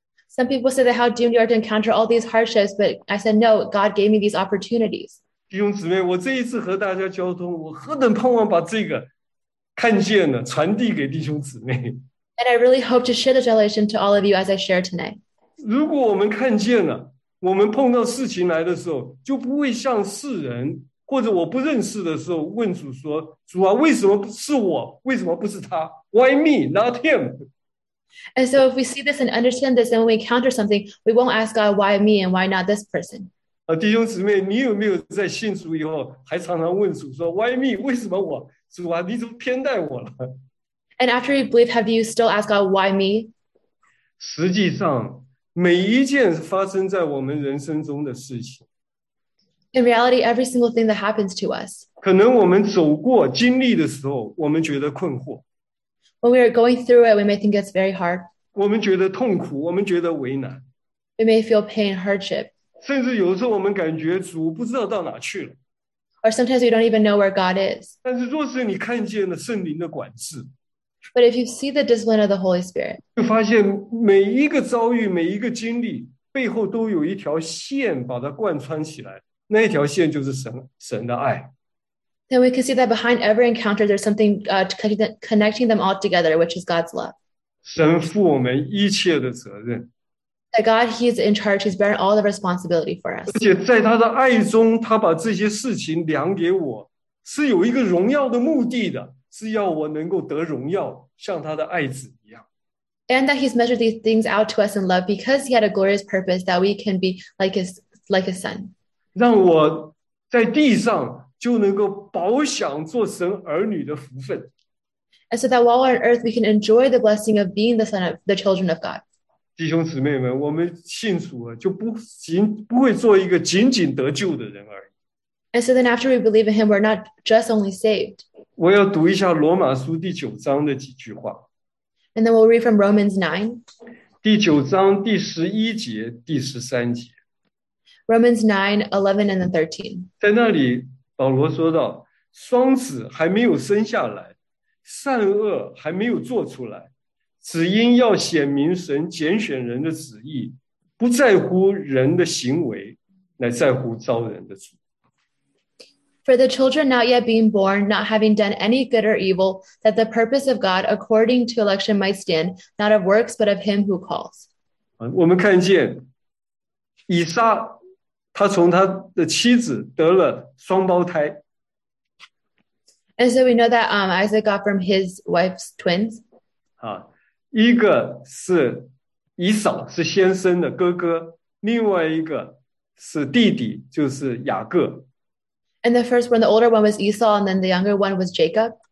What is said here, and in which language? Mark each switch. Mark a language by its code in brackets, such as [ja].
[en] Some people say that how doomed you are to encounter all these hardships, but I said no, God gave me these opportunities. [zh] 弟兄姊妹，我这一次和大家交通，我何等盼望把这个看见了，传递给弟兄姊妹。 [en] And I really hope to share the revelation to all of you as I share tonight. [zh] 如果我们看见了，我们碰到事情来的时候，就不会像世人。或者我不认识的时候问主说，主啊，为什么是我，为什么不是他？ [en] Why me, not him? And so if we see this and understand this, and when we encounter something, we won't ask God, why me and why not this person? [zh] 弟兄姊妹，你有没有在信主以后还常常问主说， [en] why me, [zh] 为什么我？主啊，你怎么偏待我了？ [en] And after you believe, have you still asked God, why me? [zh] 实际上每一件发生在我们人生中的事情。 [en] In reality, every single thing that happens to us. [zh] 可能我们走过经历的时候，我们觉得困惑。 [en] When we are going through it, we may think it's very hard. [zh] 我们觉得痛苦，我们觉得为难。 [en] We may feel pain, hardship. [zh] 甚至有的时候我们感觉主不知道到哪去了。 [en] Or sometimes we don't even know where God is. [zh] 但是若是你看见了圣灵的管制。 [en] But if you see the discipline of the Holy Spirit. [zh] 就发现每一个遭遇，每一个经历，背后都有一条线把它贯穿起来。那一条线就是神的爱。 [en] Then we can see that behind every encounter, there's something connecting them all together, which is God's love. [zh] 神负我们一切的责任。 [en] That God, He's in charge, He's bearing all the responsibility for us. [zh] 而且在他的爱中，他把这些事情量给我，是有一个荣耀的目的的，是要我能够得荣耀，像他的爱子一样。 [en] And that He's measured these things out to us in love because He had a glorious purpose that we can be like His Son. [zh] 让我在地上就能够饱享做神儿女的福分。 [en] And so that while we're on earth, we can enjoy the blessing of being the children of God. [zh] 弟兄姊妹们，我们信主了，就不会做一个仅仅得救的人而已。 [en] And so then after we believe in him, we're not just only saved. [zh] 我要读一下罗马书第九章的几句话。 [en] And then we'll read from Romans 9. [zh] 第九章第十一节、第十三节。 [en] Romans 9:11 and then 13. [zh] 在那里，保罗说到，双子还没有生下来，善恶还没有做出来。只因要显明神拣选人的旨意，不在乎人的行为，乃在乎招人的主。 [en] For the children not yet being born, not having done any good or evil, that the purpose of God according to election might stand, not of works, but of him who calls. [zh] 我们看见以撒，他从他的妻子得了双胞胎。 [en] And so we know that Isaac got from his wife's twins. 啊。 [zh] 一个是以扫是先生的哥哥，另外一个是弟弟，就是雅各。 [en] And the first one, the older one was Esau, and then the younger one was Jacob.